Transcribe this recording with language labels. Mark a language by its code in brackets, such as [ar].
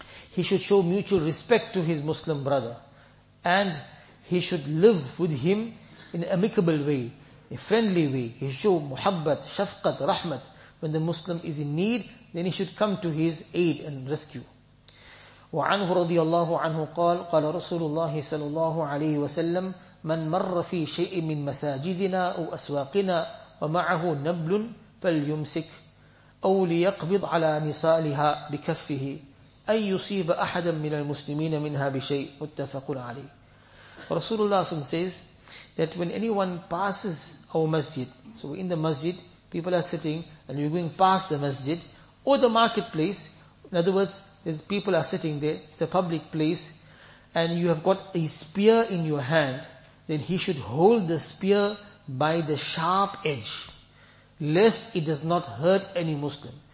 [en] He should show mutual respect to his Muslim brother. And he should live with him in an amicable way, a friendly way. He should show muhabbat, shafqat, rahmat. When the Muslim is in need, then he should come to his aid and rescue. [ar] وعنه رضي الله عنه قال قال رسول الله صلى الله عليه وسلم من مر في شيء من مساجدنا أو أسواقنا ومعه نبل فليمسك أو ليقبض على نصالها بكفه أن يصيب أحدا من المسلمين منها بشيء متفق عليه. رسول الله صلى الله عليه وسلم [en] says that when anyone passes our masjid, so in the masjid people are sitting and you're going past the masjid or the marketplace, in other words, there's people are sitting there, it's a public place, and you have got a spear in your hand, then he should hold the spear by the sharp edge, lest it does not hurt any Muslim.